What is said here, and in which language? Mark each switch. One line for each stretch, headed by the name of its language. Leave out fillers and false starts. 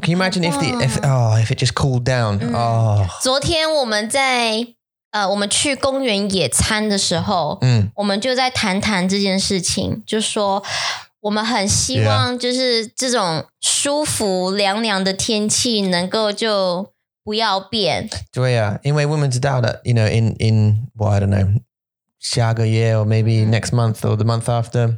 English: Can you imagine if it just cooled down? Oh.
Chinese: 昨天我们在我们去公园野餐的时候我们就在谈谈这件事情就说我们很希望就是这种舒服凉凉的天气能够就不要变。对啊因为我们知道
English: that, you know, in, well, I don't know,
Chinese: 下个月
English: or maybe next month or the month after.